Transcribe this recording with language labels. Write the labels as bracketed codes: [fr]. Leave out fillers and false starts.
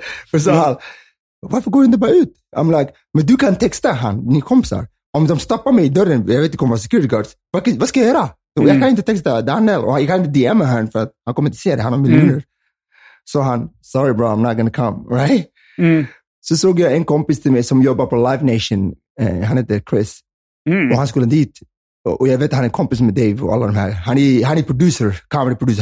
[sv] För så han, varför går du inte bara ut? [en] I'm like, [sv] men du kan texta han, ni kompisar. Om de stoppar mig i dörren, jag vet inte, kommer security guards. Vad ska jag göra? Jag kan inte texta Daniel och jag kan inte DM honom för att han kommer inte se det. Han har miljoner. Så han, [en] sorry bro, I'm not gonna come, right? [sv] Så såg jag en kompis till mig som jobbar på Live Nation. Han heter Chris. Och han skulle dit. Och jag vet att han är kompis med Dave och alla de här. Han är producer, comedy producer.